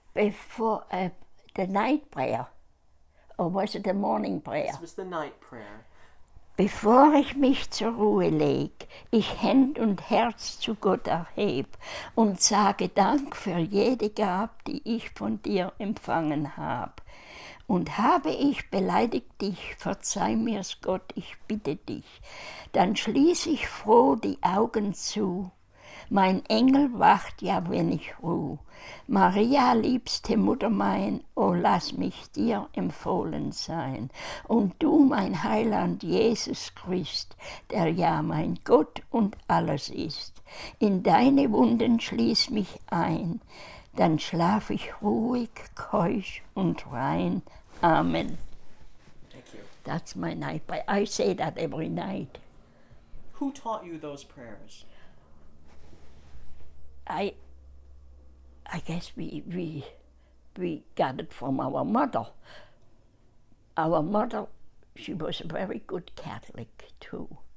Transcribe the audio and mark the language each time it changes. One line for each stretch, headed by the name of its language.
English: Before the night prayer, or was it the morning prayer? This was the night prayer.
German: Bevor ich mich zur Ruhe leg, ich Händ und Herz zu Gott erheb und sage Dank für jede Gab, die ich von dir empfangen hab. Und habe ich beleidigt dich, verzeih mir's Gott, ich bitte dich. Dann schließ ich froh die Augen zu. Mein Engel wacht ja, wenn ich ruh. Maria, liebste Mutter mein, o lass mich dir empfohlen sein. Und du, mein Heiland, Jesus Christ, der ja mein Gott und alles ist. In deine Wunden schließ mich ein, dann schlaf ich ruhig, keusch und rein. Amen.
English: Thank you. That's my night prayer. I say that every night. Who taught you those prayers? I guess we got it from our mother. Our mother, she was a very good Catholic too.